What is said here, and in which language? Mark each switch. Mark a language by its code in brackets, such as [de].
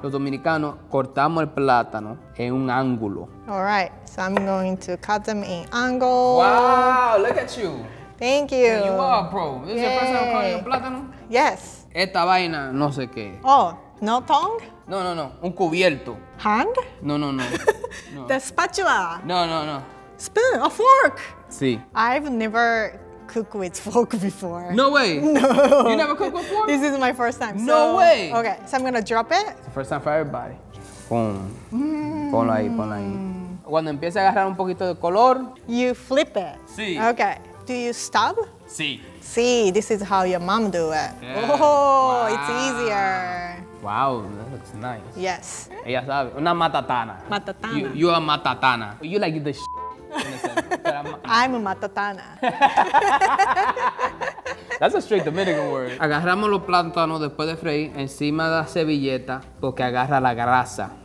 [es] Los dominicanos cortamos el plátano en un ángulo. [en] All right. So I'm going to cut them in angle. Wow. Look at you. Thank you. Yeah, you are, bro. This is your first time cooking plátano. Yes. [es] Esta vaina, no sé qué. [en] Oh, no tongue? [es] No, no, no. Un cubierto. [en] Hand? No, no, no. No. The spatula. No, no, no. Spoon, a fork. [es] Sí. [en] I've never cooked with fork before. No way. No. You never cooked with fork? This is my first time. No way. Okay, so I'm gonna drop it. It's the first time for everybody. [es] Boom. Ponlo ahí, ponlo ahí. Cuando empiece a agarrar un poquito de color. [en] You flip it. [es] Sí. [en] Okay. Do you stab? [es] Sí. [en] Sí, this is how your mom do it. Yeah. Oh, wow. It's easier. Wow, that looks nice. Yes. [es] Ella sabe. Una matatana. Matatana. [en] You are matatana. You like the sh**. I'm a matatana. That's a straight Dominican word. [es] Agarramos los plátanos después de freír encima de la servilleta porque agarra la grasa.